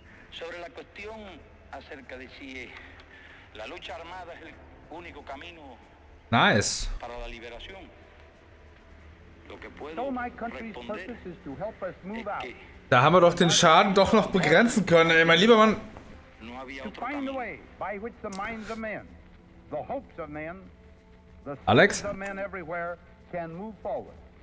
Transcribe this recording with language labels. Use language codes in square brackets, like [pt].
[es] Sobre la cuestión acerca de si la lucha armada es el único camino para la liberación. Lo que puedo responder es que [de] da haben wir doch den Schaden doch noch begrenzen können, ey, mein lieber Mann. [es] No había otro camino. [en] The way by which the minds of men, the hopes of men, the souls of men everywhere can move forward